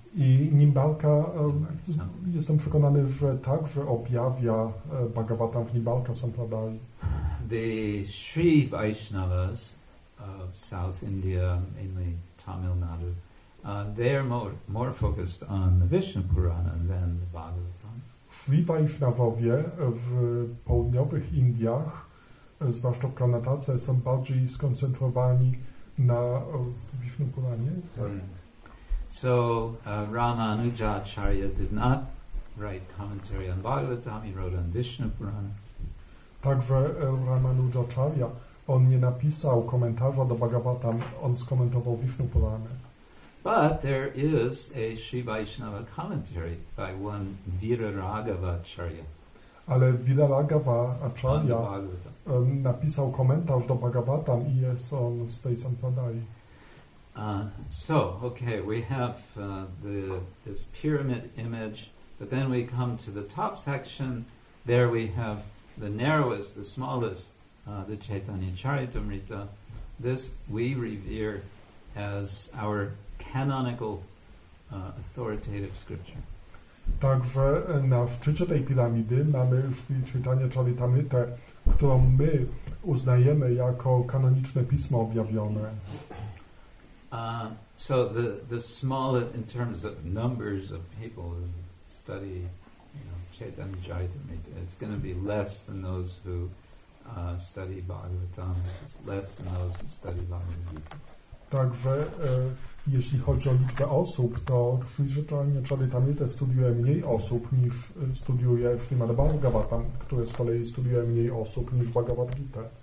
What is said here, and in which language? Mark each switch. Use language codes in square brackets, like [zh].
[pl] I Nimbalka, jestem przekonany, że także objawia Bhagavatam w Nimbalka Sampradaya. [en] The Sri Vaishnavas of South India, mainly Tamil Nadu, they are more focused on the Vishnu Purana than the Bhagavatam. [pl] Sri Vaishnavowie w południowych Indiach, zwłaszcza w Karnatace, są bardziej skoncentrowani na Vishnu Puranie. [en] So Ramanujacharya did not write commentary on Bhagavatam, he wrote on Vishnu Purana. [pl] Także Ramanujacharya, on nie napisał komentarza do Bhagavatam, on skomentował Vishnu Purana. [en] But there is a Sri Vaishnava commentary by one Viraragavacharya. [pl] Ale Viraragava Acharya napisał komentarz do Bhagavatam i jest on z tej sampradayi. [en] So, okay, we have this pyramid image, but then we come to the top section. There we have the narrowest, the smallest, the Chaitanya Charitamrita. This we revere as our canonical authoritative scripture. [pl] Także na szczycie tej piramidy mamy już Chaitanya Charitamrita, którą my uznajemy jako kanoniczne pismo objawione. [en] So the smallest in terms of numbers of people who study, you know, Chaitanya Charitamrita, it's going to be less than those who study Bhagavatam, less than those who study Bhagavad Gita. [pl] Także jeśli chodzi o liczbę osób, to Chaitanya Charitamrita studiuje mniej osób niż studiuje Śrimad Bhagavatam, które z kolei studiuje mniej osób niż Bhagavad Gita.